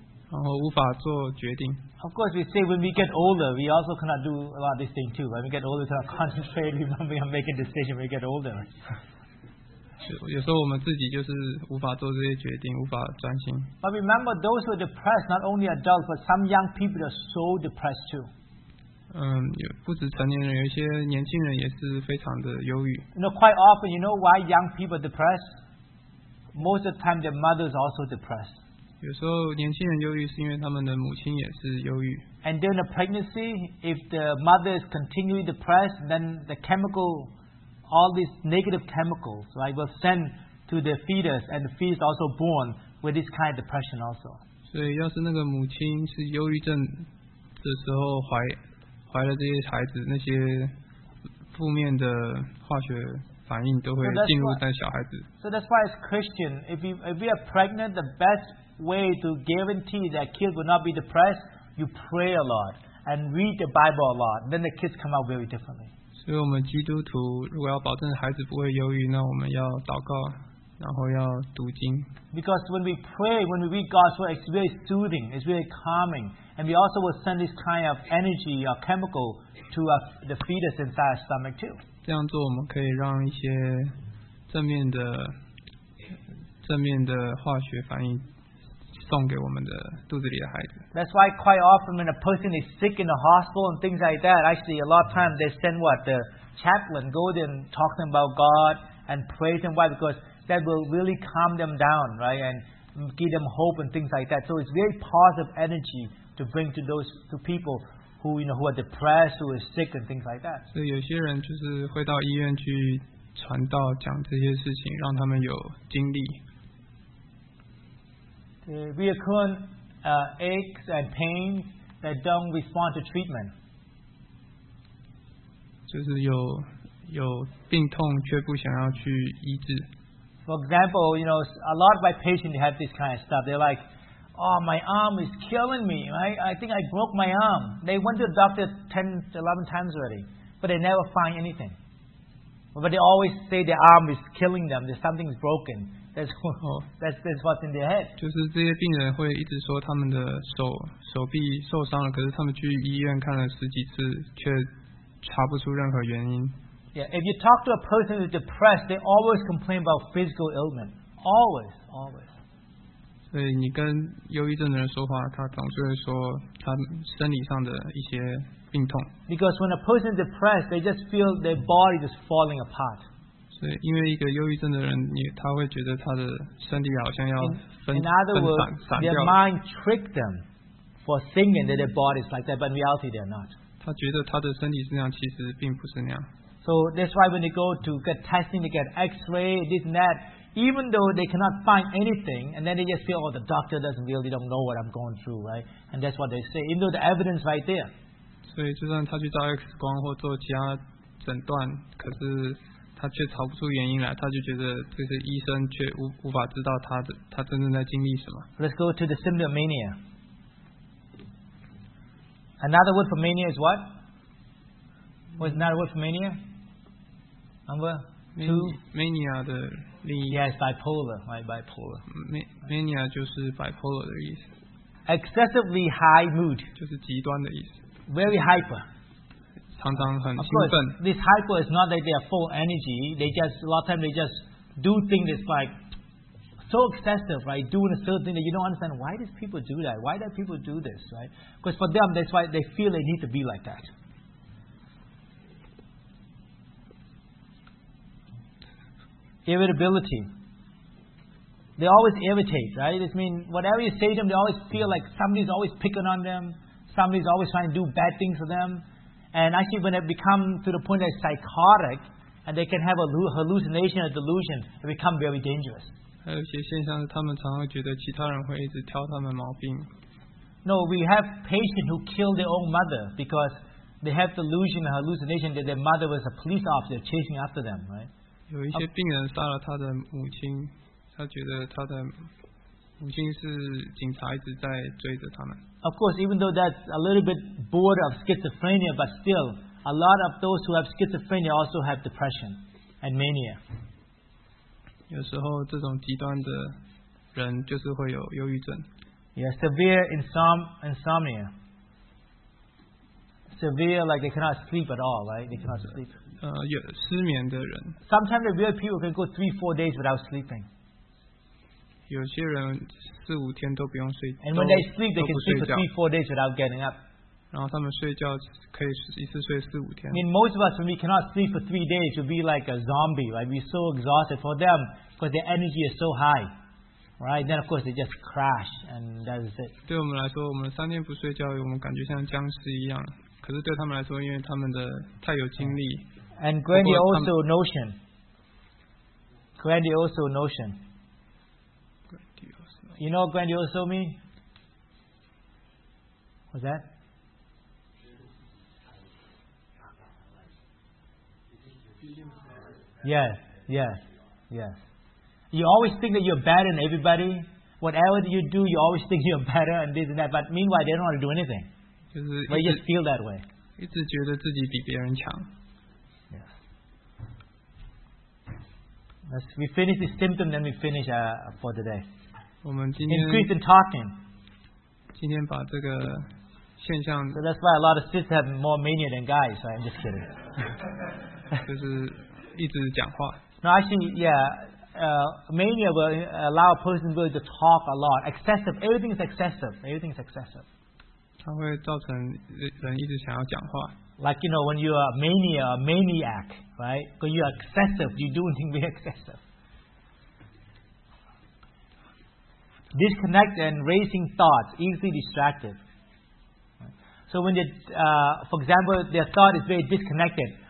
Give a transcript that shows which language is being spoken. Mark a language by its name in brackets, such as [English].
[English] Of course, we say when we get older, we also cannot do a lot of this thing too. When we get older, we cannot concentrate, remember, and make a decision when we get older. [Chinese] 有时候我们自己就是无法做这些决定，无法专心。 [English] But remember, those who are depressed, not only adults, but some young people are so depressed too. [Chinese] 不止成年人，有一些年轻人也是非常的忧郁。 [English] You know, quite often, you know why young people are depressed? Most of the time, their mothers are also depressed. [Chinese] 有时候年轻人忧郁是因为他们的母亲也是忧郁。 [English] And during the pregnancy, if the mother is continually depressed, then the chemical, all these negative chemicals, right, will send to the fetus, and the fetus also born with this kind of depression also. [Chinese] 所以要是那个母亲是忧郁症的时候怀了这些孩子，那些负面的化学反应都会进入在小孩子。 [English] So that's why as Christian, if we are pregnant, the best way to guarantee that kids will not be depressed, you pray a lot and read the Bible a lot. Then the kids come out very differently. [Chinese] 所以我们基督徒如果要保证孩子不会忧郁，那我们要祷告，然后要读经。 [English] Because when we pray, when we read God's word, it's very soothing, it's very calming. And we also will send this kind of energy or chemical to the fetus inside our stomach too. [Chinese] 这样做我们可以让一些正面的化学反应送给我们的肚子里的孩子。 [English] That's why quite often when a person is sick in the hospital and things like that, actually a lot of times they send the chaplain go there and talk to them about God and praise them. Why? Because that will really calm them down, right? And give them hope and things like that. So it's very positive energy. To bring to those to people who you know who are depressed, who are sick, and things like that. So, [Chinese] 有些人就是会到医院去传道，讲这些事情，让他们有精力。 [English] Yeah. reoccurring aches and pains that don't respond to treatment. [Chinese] 就是有病痛却不想要去医治。 [English] For example, you know, a lot of my patients have this kind of stuff. They're like, oh, my arm is killing me. I think I broke my arm. They went to the doctor 10, 11 times already, but they never find anything. But they always say their arm is killing them, that something is broken. That's what's in their head. [Chinese] 就是这些病人会一直说他们的手臂受伤了，可是他们去医院看了十几次，却查不出任何原因。 [English] Yeah, if you talk to a person who's depressed, they always complain about physical illness. Always, always. [Chinese] 所以你跟忧郁症的人说话，他总是会说他生理上的一些病痛。 [English] Because when a person is depressed, they just feel their body is falling apart. [Chinese] 所以因为一个忧郁症的人，他会觉得他的身体好像要分散掉。 [English] In other words, their mind tricked them for thinking that their body is like that, but in reality, they're not. [Chinese] 他觉得他的身体是那样，其实并不是那样。 [English] So that's why when they go to get testing, they get x-ray, this and that, even though they cannot find anything, and then they just say, oh, the doctor doesn't really don't know what I'm going through, right? And that's what they say, even though the evidence right there. [Chinese] 所以就算他去照 X 光或做其他诊断，可是他却查不出原因来，他就觉得这个医生却无法知道他真正在经历什么。 [English] Let's go to the symptom mania. Another word for mania is what? What's another word for mania? Number two? [Chinese] Mania 的另一个。 [English] Yes, bipolar, right, bipolar. [Chinese] Mania 就是 bipolar 的意思。 [English] Excessively high mood. [Chinese] 就是极端的意思。 [English] Very hyper. [Chinese] 常常很兴奋。 [English] This hyper is not that they are full energy. They just, a lot of times they just do things that's like so excessive, right? Doing a certain thing that you don't understand why these people do that. Why do people do this, right? Because for them, that's why they feel they need to be like that. Irritability. They always irritate, right? This means whatever you say to them, they always feel like somebody's always picking on them. Somebody's always trying to do bad things for them. And actually, when they become to the point that it's psychotic, and they can have a hallucination or delusion, it becomes very dangerous. [Chinese] 还有一些现象是他们常常觉得其他人会一直挑他们毛病。 [English] No, we have patients who kill their own mother because they have delusion or hallucination that their mother was a police officer chasing after them, right? [Chinese] 有一些病人杀了他的母亲，他觉得他的母亲是警察一直在追着他们。 [English] Of course, even though that's a little bit border of schizophrenia, but still, a lot of those who have schizophrenia also have depression and mania. [Chinese] 有时候这种极端的人就是会有忧郁症。 [English] Yeah, severe insomnia. Severe, like they cannot sleep at all, right? They cannot sleep. [Chinese] 失眠的人。 [English] Sometimes the real people can go 3-4 days without sleeping. [Chinese] 有些人四五天都不用睡。 [English] And when they sleep, they can sleep for 3-4 days without getting up. [Chinese] 然后他们睡觉可以一次睡四五天。 [English] I mean, most of us, when we cannot sleep for 3 days, we'll be like a zombie, right? We're so exhausted for them because their energy is so high, right? Then of course they just crash and that is it. [Chinese] 对我们来说，我们三天不睡觉，我们感觉像僵尸一样。可是对他们来说，因为他们的太有精力。 [English] And grandiose notion. Grandiose notion. You know what grandiose mean? What's that? Yes, yes, yes. You always think that you're better than everybody. Whatever you do, you always think you're better and this and that. But meanwhile, they don't want to do anything. They just feel that way. [Chinese] 一直觉得自己比别人强。 [English] Let's, we finish the symptom, then we finish for today. [Chinese] 我们今天 [English] increase in talking. [Chinese] 今天把这个现象 [English] so that's why a lot of sisters have more mania than guys. Right? I'm just kidding. [Chinese] 就是一直讲话 [English] No, actually, yeah. Mania will allow a person really to talk a lot. Excessive. Everything is excessive. Everything is excessive. [Chinese] 它会造成人一直想要讲话 [English] Like, you know, when you're a mania, a maniac. Right? Because you're excessive. You're doing things very excessive. Disconnect and racing thoughts. Easily distracted. So when they, for example, their thought is very disconnected.